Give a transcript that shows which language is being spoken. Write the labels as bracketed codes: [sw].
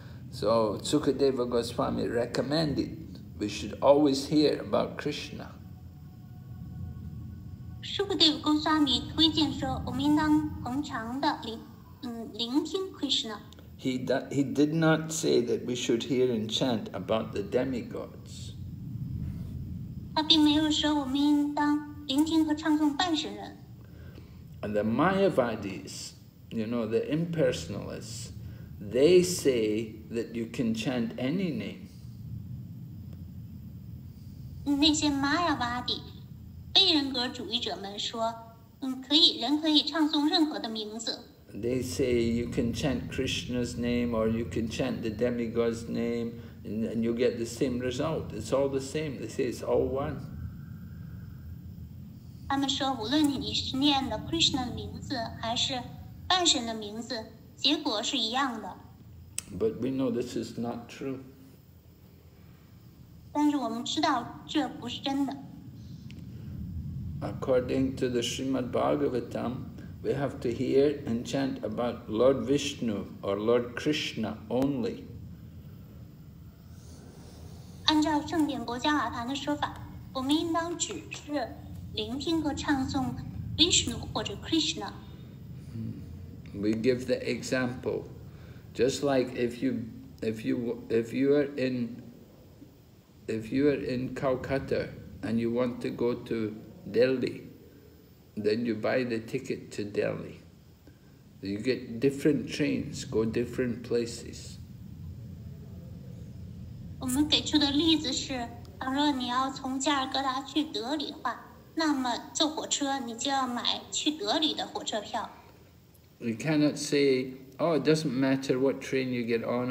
[en] So Sukadeva Goswami recommended we should always hear about Krishna. [zh] Shukadeva Goswami 推荐说我们应当恒常的聆听 Krishna. [en] He did not say that we should hear and chant about the demigods. [zh] 他并没有说我们应当聆听和唱诵半神人。 [en] And the Mayavadis, you know, the impersonalists, they say that you can chant any name. [zh] 那些 Mayavadi, 非人格主义者们说，人可以唱诵任何的名字。 [en] They say you can chant Krishna's name or you can chant the demigod's name and you get the same result. It's all the same. They say it's all one. [zh] 他们说，无论你是念的 Krishna 的名字，还是半神的名字，结果是一样的。 [en] But we know this is not true. [zh] 但是我们知道这不是真的。 [en] According to the Srimad Bhagavatam, we have to hear and chant about Lord Vishnu or Lord Krishna only. [zh] 按照正典国家瓦坛的说法，我们应当只是。聆听和唱诵 Vishnu 或者 Krishna. [en] We give the example, just like if you are in Calcutta and you want to go to Delhi, then you buy the ticket to Delhi. You get different trains, go different places. [zh] 我们给出的例子是，倘若你要从加尔各答去德里的话。那么坐火车，你就要买去德里的火车票。 [en] We cannot say, "Oh, it doesn't matter what train you get on.